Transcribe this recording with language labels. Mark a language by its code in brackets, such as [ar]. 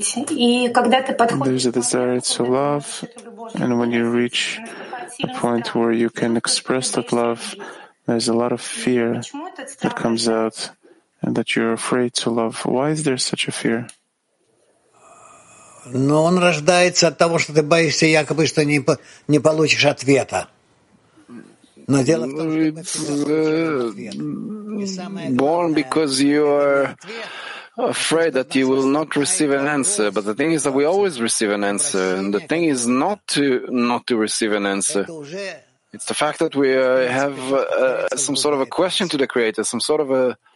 [en] There's a desire to love, and when you reach a point where you can express that love, there's a lot of fear that comes out, and that you're afraid to love. Why is there such a fear? [ru] Но он рождается от того, что ты боишься, якобы, что не получишь ответа. [en] Born because you are afraid that you will not receive an answer, but the thing is that we always receive an answer, and the thing is not to receive an answer. It's the fact that we have some sort of a question to the Creator, some sort of a